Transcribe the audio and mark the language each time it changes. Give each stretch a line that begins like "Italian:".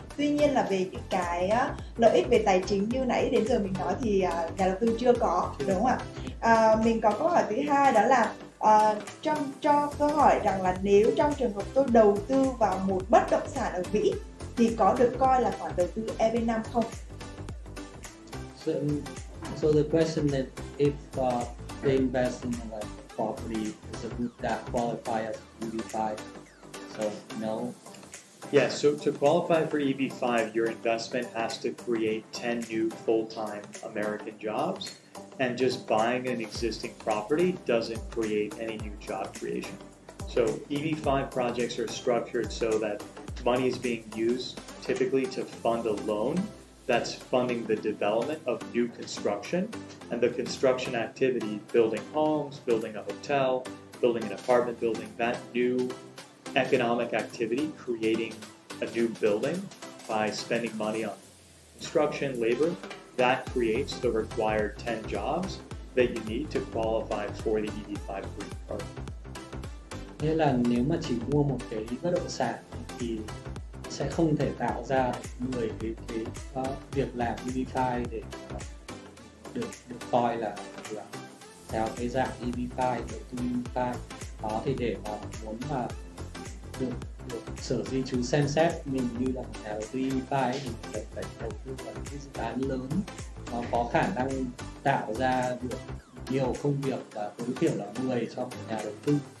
Vietnamese: Tuy nhiên là về những cái lợi ích về tài chính như nãy đến giờ mình nói thì nhà đầu tư chưa có, đúng không ạ? Mình có câu hỏi thứ hai, đó là trong cho câu hỏi rằng là nếu trong trường hợp tôi đầu tư vào một bất động sản ở Mỹ thì có được coi là khoản đầu tư EB5 không?
English: So the question is if they invest in like property, is it that qualify as EB5? So no. Yeah, so to qualify for EB-5, your investment has to create 10 new full-time American jobs, and just buying an existing property doesn't create any new job creation. So EB-5 projects are structured so that money is being used typically to fund a loan that's funding the development of new construction, and the construction activity, building homes, building a hotel, building an apartment building, that new economic activity, creating a new building by spending money on construction, labor, that creates the required 10 jobs that you need to qualify for the EB-5 green card.
Vietnamese: Thế là nếu mà chỉ mua một cái bất động sản thì sẽ không thể tạo ra 10 cái việc làm EB-5 để được coi là theo cái dạng EB-5, đầu tư EB-5. Đó thì để mà muốn mà được sở di trú xem xét mình như là một nhà đầu tư EB-5 thì phải đầu tư vào những dự án lớn nó có khả năng tạo ra được nhiều công việc và tối thiểu là 10 cho một nhà đầu tư.